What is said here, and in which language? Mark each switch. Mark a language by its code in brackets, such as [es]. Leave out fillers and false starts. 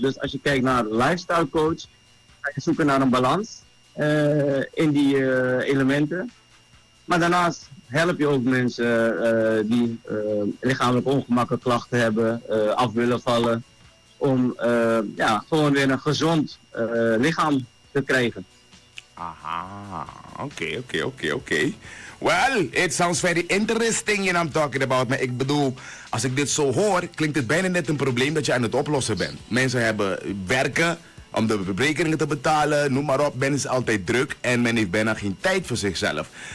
[nl] Dus als je kijkt naar lifestyle coach, ga je zoeken naar een balans in die elementen. Maar daarnaast help je ook mensen die lichamelijk ongemakken klachten hebben, af willen vallen. Om gewoon weer een gezond lichaam te krijgen. Aha, oké. [en] Well, it sounds very interesting, you know I'm talking about. [nl] Maar ik bedoel, als ik dit zo hoor, klinkt het bijna net een probleem dat je aan het oplossen bent. Mensen hebben werken om de rekeningen te betalen, noem maar op. Men is altijd druk en men heeft bijna geen tijd voor zichzelf.